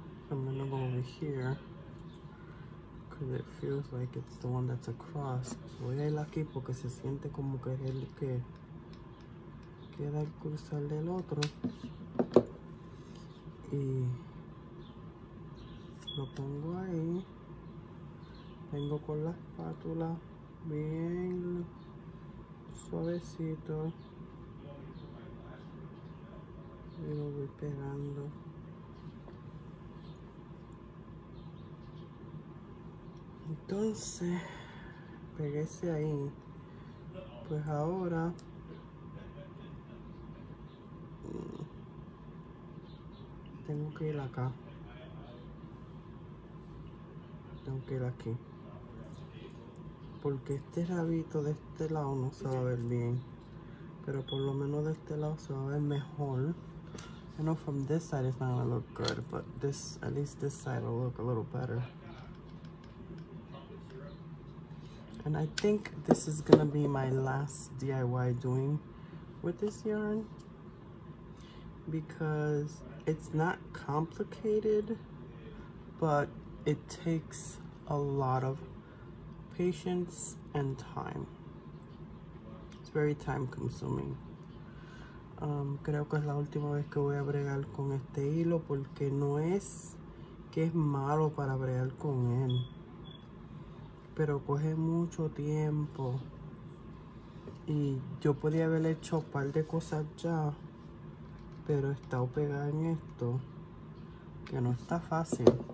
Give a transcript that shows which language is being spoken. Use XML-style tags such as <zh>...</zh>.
<en>I'm gonna go over here because it feels like it's the one that's across.</en> <es>Voy a ir aquí porque se siente como que es el que queda el cruzar del otro. Y lo pongo ahí. Vengo con la espátula bien suavecito. Y lo voy pegando. Entonces, pegué ese ahí. Pues ahora, tengo que ir acá. Tengo que ir aquí. Porque este rabito de este lado no se va a ver bien. Pero por lo menos de este lado se va a ver mejor.</es> <en>I know from this side it's not gonna look good, but this, at least this side will look a little better. And I think this is gonna be my last DIY doing with this yarn, because it's not complicated, but it takes a lot of patience and time. It's very time consuming.</en> <es>Creo que es la última vez que voy a bregar con este hilo, porque no es que es malo para bregar con él, pero coge mucho tiempo. Y yo podía haber hecho un par de cosas ya, pero he estado pegada en esto, que no está fácil.</es>